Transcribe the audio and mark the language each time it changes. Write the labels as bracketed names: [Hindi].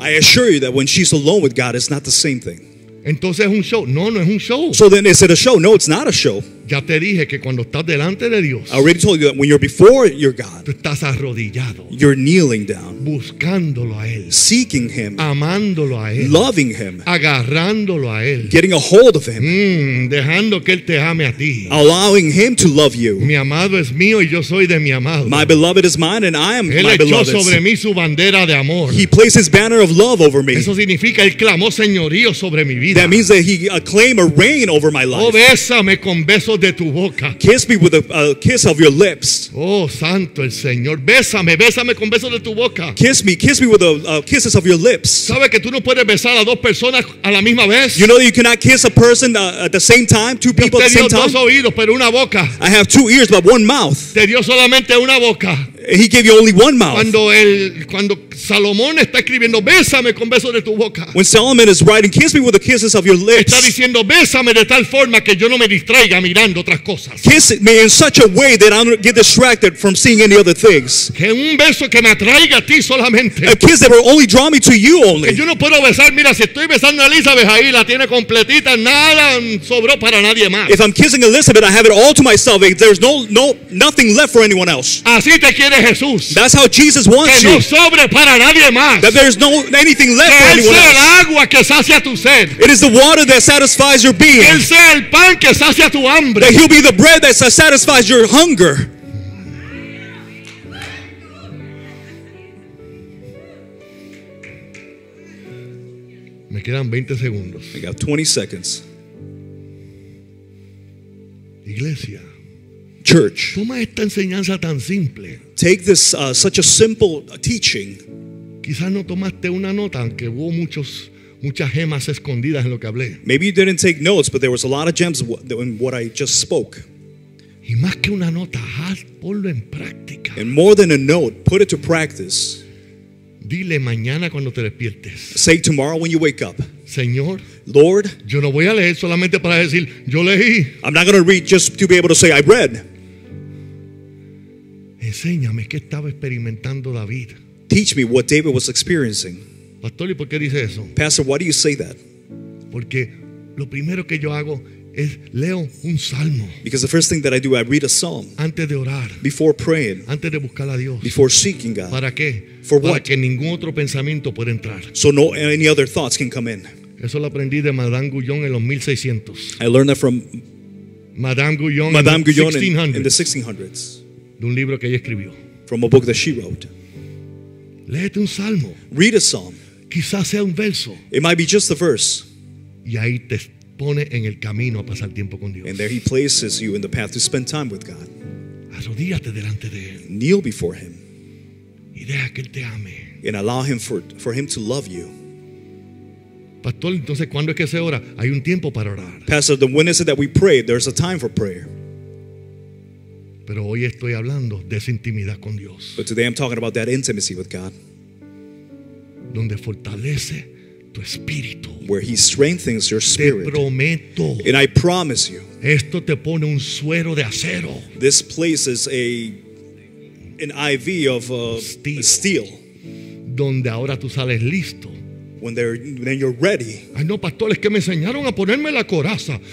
[English] I assure you that when she's alone with God, it's not the same thing. [Spanish] Entonces es un show. No, no es un show. [English] So then is it a show? No, it's not a show. [Spanish] Ya te dije que cuando estás delante de Dios, [English] I already told you that when you're before your God, [Spanish] tú estás arrodillado, [English] you're kneeling down, [Spanish] buscándolo a él, [English] seeking him, [Spanish] amándolo a él, [English] loving him, [Spanish] agarrándolo a él, [English] getting a hold of him, [Spanish] dejando que él te ame a ti, [English] allowing him to love you. [Spanish] Mi amado es mío y yo soy de mi amado. [English] My beloved is mine and I am [Spanish] él [English] my beloved. [Spanish] Él echó sobre mí su bandera de amor. [English] He placed his banner of love over me. [Spanish] Eso significa él clamó señorío sobre mi vida. [English] That means that he claimed a reign over my life. [Spanish] Oh, bésame con besos de tu boca. [English] Kiss me with a kiss of your lips. [Spanish] Oh, santo el Señor, bésame, bésame con besos de tu boca. [English] Kiss me with the kisses of your lips. [Spanish] ¿Sabe que tú no puedes besar a dos personas a la misma vez? [English] You know that you cannot kiss a person at the same time, two people at the same time. [Spanish] Dios te dio dos oídos, pero una boca. [English] I have two ears, but one mouth. [Spanish] Te dio solamente una boca. [English] He gave you only one mouth. [Spanish] Cuando Salomón está escribiendo, bésame con besos de tu boca. [English] When Solomon is writing, kiss me with the kisses of your lips. [Spanish] Está diciendo, bésame de tal forma que yo no me distraiga mirando otras cosas. [English] Kiss me in such a way that I don't get distracted from seeing any other things. [Spanish] Que un beso que me atraiga a ti solamente. [English] A kiss that will only draw me to you only. [Spanish] Que yo no puedo besar, mira, si estoy besando a Elizabeth ahí, la tiene completita, nada sobró para nadie más. [English] If I'm kissing Elizabeth, I have it all to myself. There's nothing left for anyone else. [Spanish] Así te quiere. [English] That's how Jesus wants [Spanish] que no sobre para nadie más. [English] That there is no anything left [Spanish] que [English] for anyone [Spanish] sea [English] else. [Spanish] El agua que sacia tu sed. [English] It is the water that satisfies your being. [Spanish] Que sea el pan que sacia tu hambre. [English] That he'll be the bread that satisfies your hunger. [Spanish] Me quedan 20 segundos. [English] I got 20 seconds. [Spanish] Iglesia. [English] Church. [Spanish] Toma esta enseñanza tan simple. [English] Take this such a simple teaching. [Spanish] Quizás no tomaste una nota, aunque hubo muchas gemas escondidas en lo que hablé. [English] Maybe you didn't take notes, but there was a lot of gems in what I just spoke. [Spanish] Y más que una nota, ponlo en práctica. [English] And more than a note, put it to practice. [Spanish] Dile mañana cuando te despiertes. [English] Say tomorrow when you wake up. [Spanish] Señor, [English] Lord, [Spanish] yo no voy a leer solamente para decir yo leí. [English] I'm not going to read just to be able to say I read. [Spanish] Enséñame qué estaba experimentando David. [English] Teach me what David was experiencing. [Spanish] Pastor, ¿y por qué dice eso? [English] Pastor, why do you say that? [Spanish] Porque lo primero que yo hago es leo un salmo. [English] Because the first thing that I do, I read a psalm. [Spanish] Antes de orar. [English] Before praying. [Spanish] Antes de buscar a Dios. [English] Before seeking God. [Spanish] ¿Para qué? [English] For [Spanish] para [English] what? [Spanish] Que ningún otro pensamiento pueda entrar. [English] So no any other thoughts can come in. [Spanish] Eso lo aprendí de Madame Guyon en los 1600. [English] I learned that from [Spanish] Madame Guyon, [English] Madame Guyon [Spanish] 1600. [English] In the 1600s. [Spanish] De un libro que ella escribió. [English] From a book that she wrote. [Spanish] Léete un salmo. [English] Read a psalm. [Spanish] Quizás sea un verso. [English] It might be just the verse. [Spanish] Y ahí te pone en el camino a pasar tiempo con Dios. [English] And there he places you in the path to spend time with God. [Spanish] Arrodíllate delante de él. [English] Kneel before him. [Spanish] Y deja que él te ame. [English] And allow him for him to love you. [Spanish] Pastor, entonces ¿cuándo es que se ora? Hay un tiempo para orar. [English] Pastor, the when is it that we pray? There's a time for prayer. [Spanish] Pero hoy estoy hablando de esa intimidad con Dios. [English] But today I'm talking about that intimacy with God. [Spanish] Donde fortalece tu espíritu. [English] Where he strengthens your spirit. [Spanish] Te prometo. [English] And I promise you. [Spanish] Esto te pone un suero de acero. [English] This places an IV of steel. [Spanish] Donde ahora tú sales listo. [English] When you're ready. [Spanish] Ay no, pastores, que me enseñaron a ponerme la coraza.